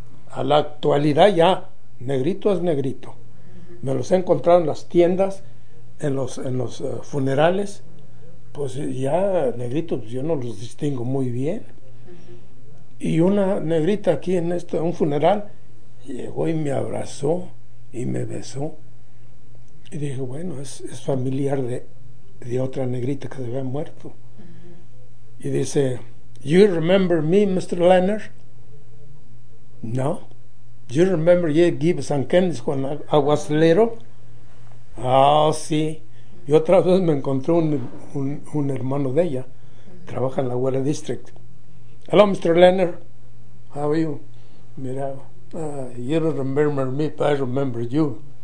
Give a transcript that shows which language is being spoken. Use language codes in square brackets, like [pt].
[es] A la actualidad ya, negrito es negrito. Me los he encontrado en las tiendas, en los funerales, pues ya negritos, pues yo no los distingo muy bien. Y una negrita aquí en esto, en un funeral, llegó y me abrazó y me besó. Y dije, bueno, es familiar de otra negrita que se había muerto. Y dice, [en] "You remember me, Mr. Leonard?" "No." "You remember you gave some candies when I was little?" [es] "Ah, oh, sí." Y otra vez me encontré un hermano de ella. Trabaja en la Guerra District. [en] "Hello, Mr. Leonard. How are you?" [es] "Mira, [en] you don't remember me, but I remember you.